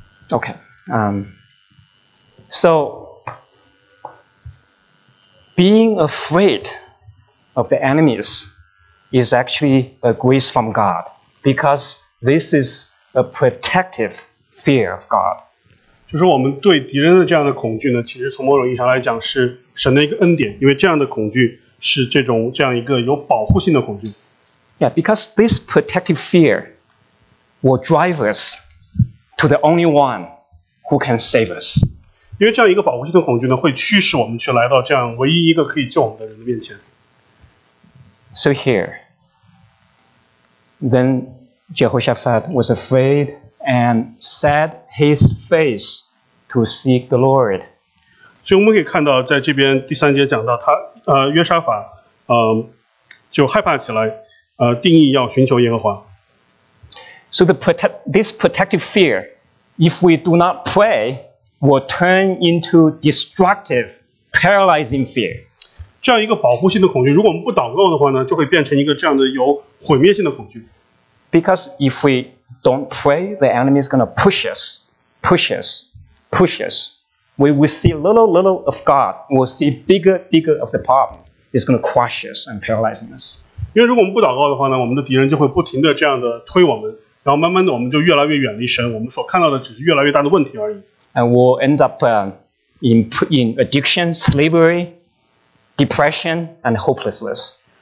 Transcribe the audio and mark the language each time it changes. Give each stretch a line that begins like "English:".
English: Okay. So being afraid of the enemies is actually a grace from God, because this is a protective fear of God.
Chinese: 就是我们对敌人的这样的恐惧呢，其实从某种意义上来讲是神的一个恩典，因为这样的恐惧是这样一个有保护性的恐惧。
English: Yeah, because this protective fear will drive us to the only one who can save us.
Chinese: 因为这样一个保护性的恐惧呢，会驱使我们去来到这样唯一一个可以救我们的人的面前。
English: So here, then Jehoshaphat was afraid. And set his face to seek the Lord.
Chinese: 所以我们可以看到，在这边第三节讲到他，约沙法，就害怕起来，定义要寻求耶和华。
English: So this protective fear, if we do not pray, will turn into destructive, paralyzing fear.
Chinese: 这样一个保护性的恐惧，如果我们不祷告的话呢，就会变成一个这样的有毁灭性的恐惧。
English: Because if we don't pray, the enemy is going to push us. We will see little of God, we'll see bigger of the problem. It's going to crush us and paralyze us.
Chinese: 因为如果我们不祷告的话呢，我们的敌人就会不停的这样的推我们，然后慢慢的我们就越来越远离神，我们所看到的只是越来越大的问题而已。
English: And we'll end up in addiction, slavery, depression, and hopelessness.